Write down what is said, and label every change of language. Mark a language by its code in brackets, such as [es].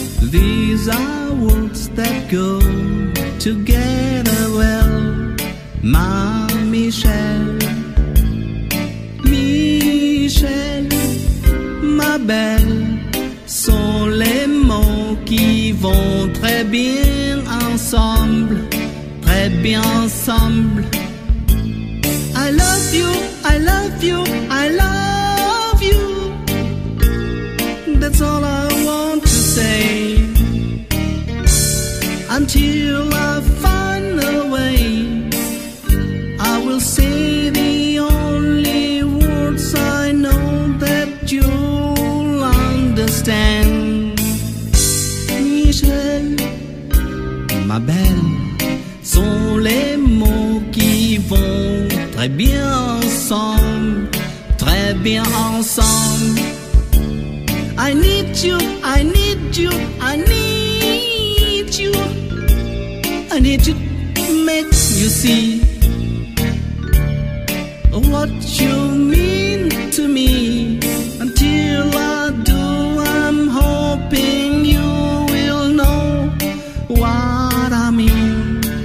[en] These are words that go together well. [fr] Ma Michelle, Michelle, ma belle, sont les mots qui vont très bien ensemble, très bien ensemble. [en] I love you, I love you, I love you. That's all I want to say. Until I find a way, I will say the only words I know that you'll understand. [fr] Michelle, ma belle, sont les mots qui vont très bien ensemble, très bien ensemble. [en] I need you, I need you, I need you. I need you to make you see what you mean to me. Until I do, I'm hoping you will know what I mean.